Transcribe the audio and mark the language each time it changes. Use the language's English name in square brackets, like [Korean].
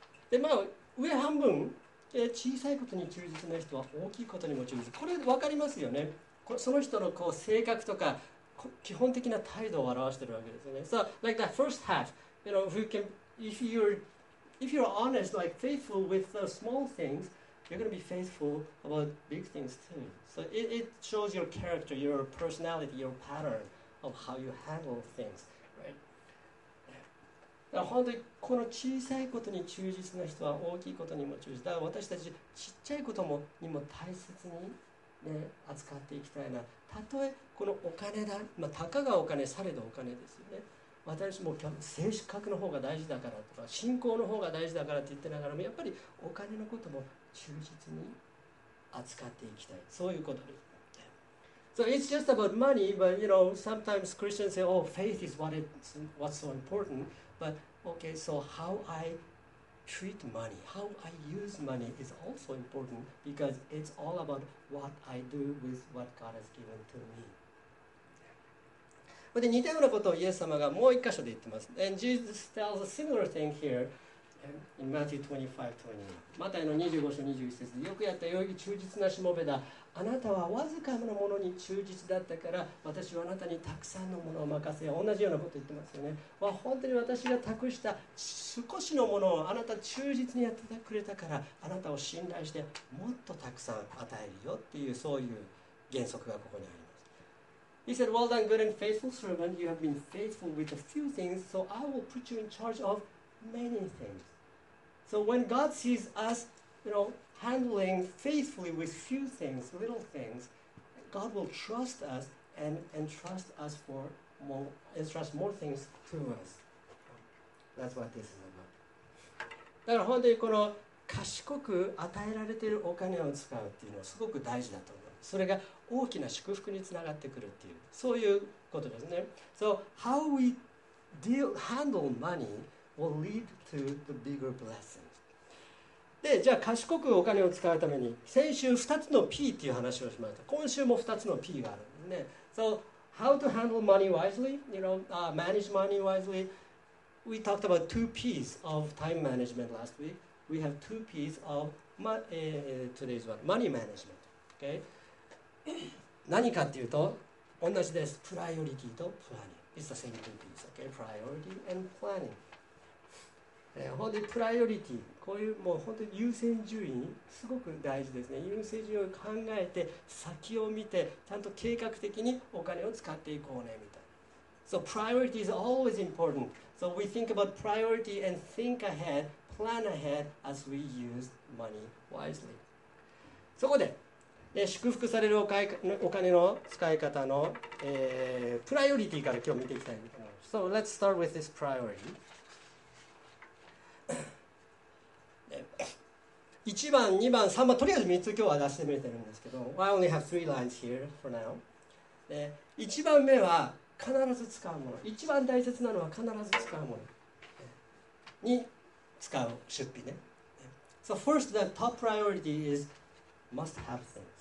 [Japanese] で、まあ、上半分、小さいことに忠実な人は大きいことにも忠実。これ分かりますよね。その人のこう性格とか基本的な態度を表しているわけですよね。 [English] So, like that first half. You know, if you're honest, like faithful with the small things, you're going to be faithful about big things too. So it shows your character, your personality, your pattern of how you handle things, right? [Japanese] 本当にこの小さいことに忠実な人は大きいことにも忠実。だから私たち小さいことにも大切に、ね、扱っていきたいな。たとえこのお金だ、まあ、たかがお金、されどお金ですよね。私も性格の方が大事だからとか信仰の方が大事だからって言ってながらも、やっぱりお金のことも忠実に扱っていきたい、そういうことです。 [English] So it's just about money, but you know, sometimes Christians say, oh, faith is what's so important, but okay, so how I treat money, how I use money is also important, because it's all about what I do with what God has given to me. [Japanese] で、似たようなことをイエス様がもう一箇所で言ってます。 [English] And Jesus tells a similar thing here in Matthew 25:20. [Japanese] マタイの25章21節で、よくやったよい忠実なしもべだ。あなたはわずかなものに忠実だったから、私はあなたにたくさんのものを任せよう。同じようなことを言ってますよね。まあ、本当に私が託した少しのものをあなた忠実にやってくれたから、あなたを信頼してもっとたくさん与えるよっていう、そういう原則がここにあります。 [English] He said, well done, good and faithful servant. You have been faithful with a few things, so I will put you in charge of many things. So when God sees us, you know, handling faithfully with few things, little things, God will trust us and entrust us for more, entrust more things to us. That's what this is about. [Japanese] だから本当にこの賢く与えられているお金を使うっていうのはすごく大事だと思う。それが大きな祝福につながってくるっていう、そういうことですね。 [English] So how we deal, handle money will lead to the bigger blessings. [Japanese] で、じゃあ賢くお金を使うために、先週2つの P っていう話をしました。今週も2つの P があるんですね。 [English] So how to handle money wisely, you know,、manage money wisely. We talked about two P's of time management last week. We have two P's of today's one, money management. Okay. [Japanese] 何かっていうと同じです。プライオリティとプランニング、 [English] It's the same two things, okay? [Japanese] プライオリティ [English] and planning、 [Japanese] 本当にプライオリティ、こういうもう本当に優先順位すごく大事ですね。優先順位を考えて先を見てちゃんと計画的にお金を使っていこうねみたいな。 [English] So priority is always important. So we think about priority and think ahead, plan ahead as we use money wisely. [Japanese] そこでで祝福されるお金の使い方の、プライオリティから今日見ていきたいと思います。 [English] So let's start with this priority. [Japanese] 1番、2番、3番、とりあえず3つ今日は出してみてるんですけど、 [English] I only have three lines here for now. [Japanese] で1番目は必ず使うもの。1番大切なのは必ず使うものに使う出費ね。 [English] So first, the top priority is must have things.